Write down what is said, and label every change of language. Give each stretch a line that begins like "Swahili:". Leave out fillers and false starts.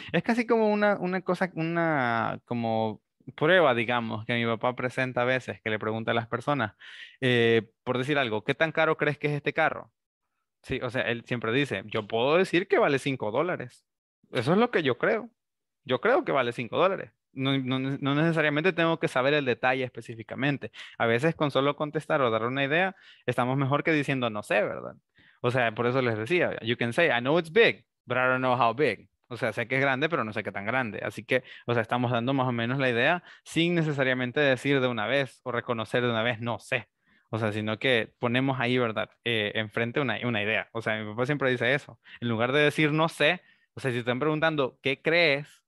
Spanish: Es casi como una prueba, digamos, que mi papá presenta a veces, que le pregunta a las personas, por decir algo, ¿qué tan caro crees que es este carro? Sí, o sea, él siempre dice, yo puedo decir que vale $5. Eso es lo que yo creo. Yo creo que vale $5. No necesariamente tengo que saber el detalle específicamente. A veces con solo contestar o dar una idea, estamos mejor que diciendo no sé, ¿verdad? O sea, por eso les decía,
English: you can say, I know it's big, but I don't know how big.
Spanish: O sea, sé que es grande, pero no sé qué tan grande. Así que, o sea, estamos dando más o menos la idea sin necesariamente decir de una vez o reconocer de una vez, no sé. O sea, sino que ponemos ahí, ¿verdad? Enfrente una idea. O sea, mi papá siempre dice eso. En lugar de decir, no sé, o sea, si están preguntando, ¿qué crees?